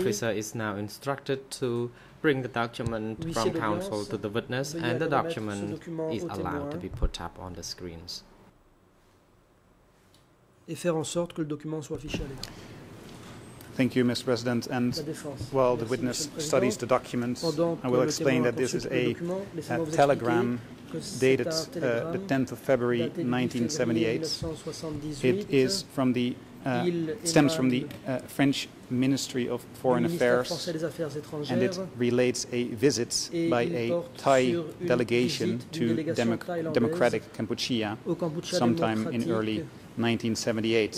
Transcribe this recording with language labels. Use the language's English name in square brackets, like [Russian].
[English] Officer is now instructed to bring the document [French] Huissier [English] from counsel to the witness and the document, document is allowed to be put up on the screens. [French] Et faire en sorte que le document soit affiché à l'écran. [English] Thank you, Mr. President. And while the witness studies the documents, I will explain that this is a telegram dated the 10th of February 1978. It is from the stems from the French Ministry of Foreign Affairs, and it relates a visit by a Thai delegation to democratic Kampuchea sometime in early 1978.